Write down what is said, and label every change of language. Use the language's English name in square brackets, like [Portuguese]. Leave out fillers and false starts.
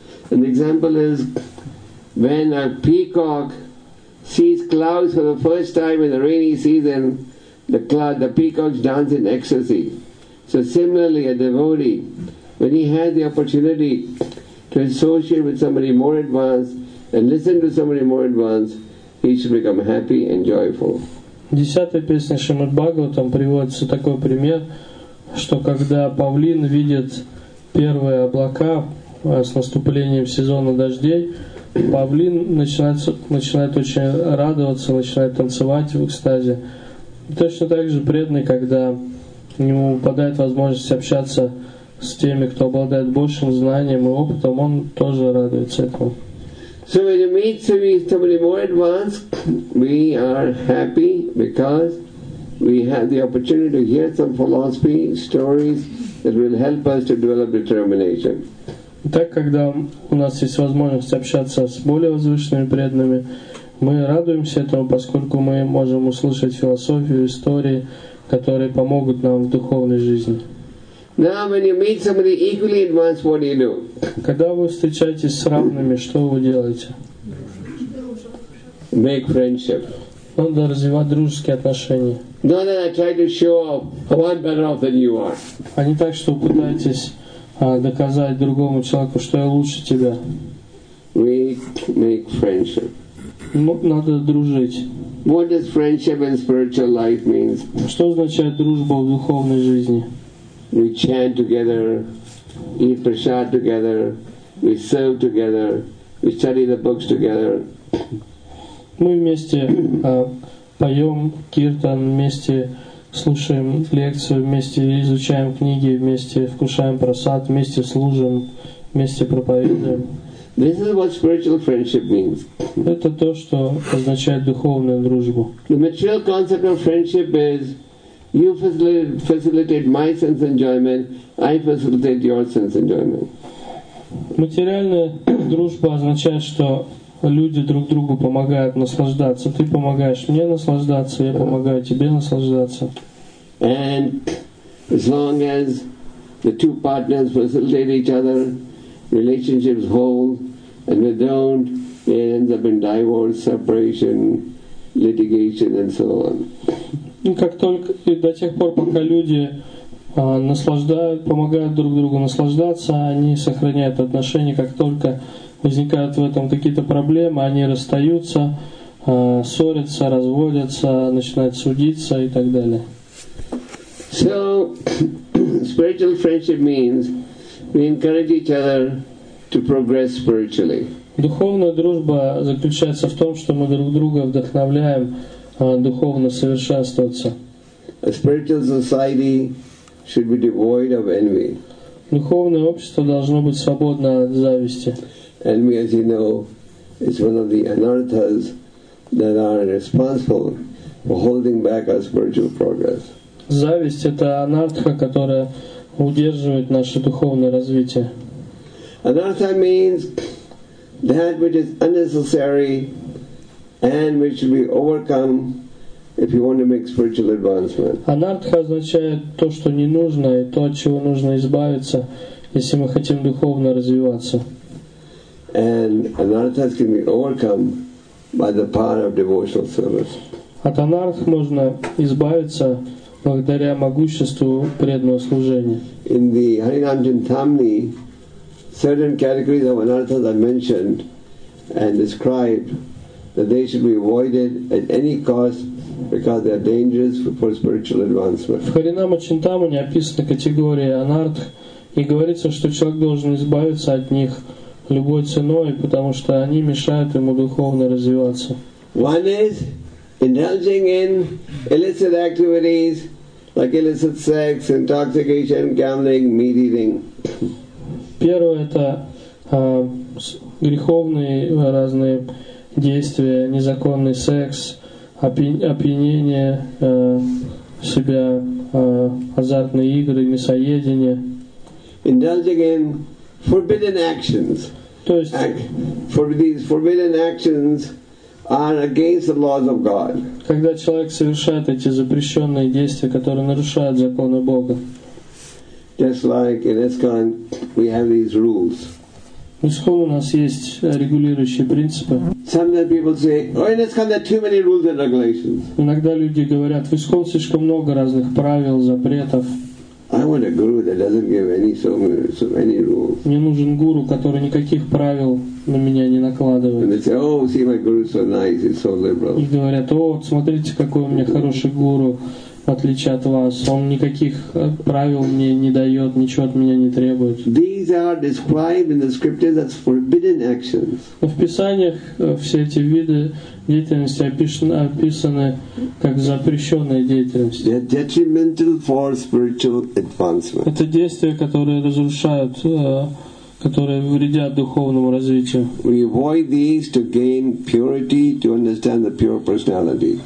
[English] An example is when a peacock sees clouds for the first time in the rainy season, the peacocks dance in ecstasy. So similarly, a devotee, when he has the opportunity to associate with somebody more advanced and listen to somebody more advanced, he should become happy and joyful. [Russian] В 10-й песне Шримад Бхагаватам приводится такой пример, что когда павлин видит первые облака с наступлением сезона дождей, павлин начинает очень радоваться, начинает танцевать в экстазе. Точно так же преданный, когда ему выпадает возможность общаться с теми, кто обладает большим знанием и опытом, он тоже радуется этому. [English] So when you meet somebody more advanced, we are happy because we have the opportunity to hear some philosophy, stories that will help us to develop determination. [Russian] Так, когда у нас есть возможность общаться с более возвышенными преданными, мы радуемся этому, поскольку мы можем услышать философию, истории, которые помогут нам в духовной жизни. [English] Now, when you meet somebody equally advanced, what do you do? [Russian] Когда вы встречаетесь с равными, что вы делаете? [English] Make friendship. [Russian] Надо развивать дружеские отношения. [English] Not that I try to show off, I'm better off than you are. [Russian] А не так, что вы пытаетесь доказать другому человеку, что я лучше тебя. [English] We make friendship. [Russian] Надо дружить. [English] What does friendship in spiritual life means? [Russian] Что означает дружба в духовной жизни? [English] We chant together, eat prasad together, we serve together, we study the books together. [Russian] Мы вместе поем киртан, вместе слушаем лекцию, вместе изучаем книги, вместе вкушаем прасад, вместе служим, вместе проповедуем. [English] This is what spiritual friendship means. [Russian] Это то, что означает духовную дружбу. [English] The material concept of friendship is you facilitate my sense enjoyment, I facilitate your sense enjoyment. [Russian] Материальная дружба означает, что люди друг другу помогают наслаждаться. Ты помогаешь мне наслаждаться, я помогаю тебе наслаждаться. [English] And as long as the two partners facilitate each other, relationships hold, and if they don't, it ends up in divorce, separation, litigation, and so on. [Russian] Как только и до тех пор, пока люди наслаждают, помогают друг другу наслаждаться, они сохраняют отношения. Как только возникают в этом какие-то проблемы, они расстаются, ссорятся, разводятся, начинают судиться и так далее. [English] So, spiritual friendship means we encourage each other to progress spiritually. [Russian] Духовная дружба заключается в том, что мы друг друга вдохновляем духовно совершенствоваться. [English] A spiritual society should be devoid of envy. [Russian] Духовное общество должно быть свободно от зависти. [English] Envy, as you know, is one of the anarthas that are responsible for holding back our spiritual progress. [Russian] Зависть — это анартха, которая удерживает наше духовное развитие. [English] Anatta means that which is unnecessary and which should be overcome if you want to make spiritual advancement. [Russian] Anartha означает то, что не нужно, и то, от чего нужно избавиться, если мы хотим духовно развиваться. [English] And anarthas can be overcome by the power of devotional service. [Russian] От анарт можно избавиться благодаря могуществу преданного служения. [English] In the Harinam Chintamani, certain categories of anarthas are mentioned and described that they should be avoided at any cost because they are dangerous for spiritual advancement. [Russian] В Харинама Чинтамани описаны категории анартх, и говорится, что человек должен избавиться от них любой ценой, потому что они мешают ему духовно развиваться. [English] One is indulging in illicit activities like illicit sex, intoxication, gambling, meat eating. [Russian] Первое — это греховные разные действия, незаконный секс, опьянение себя, азартные игры, мясоедение. [English] Indulging in forbidden actions. [Russian] То есть, [English] these forbidden actions are against the laws of God. [Russian] Когда человек совершает эти запрещенные действия, которые нарушают законы Бога. [English] Just like in ISKCON, we have these rules. [Russian] В ИСКОН у нас есть регулирующие принципы. [English] Sometimes people say, oh, in ISKCON there are too many rules and regulations. [Russian] Иногда люди говорят, в ИСКОН слишком много разных правил, запретов. [English] I want a guru that doesn't give any so many rules. [Russian] Мне нужен гуру, который никаких правил на меня не накладывает. [English] And they say, oh, see, my guru is so nice, he's so liberal. [Russian] И говорят, о, вот смотрите, какой у меня хороший гуру. В отличие от вас, он никаких правил мне не дает, ничего от меня не требует. [English] These are described in the scriptures as forbidden actions. [Russian] В писаниях все эти виды деятельности описаны как запрещенная деятельность. [English] They are detrimental for spiritual advancement. [Russian] Это действия, которые разрушают, которые вредят духовному развитию. [English] We avoid these to gain purity, to understand the pure personality.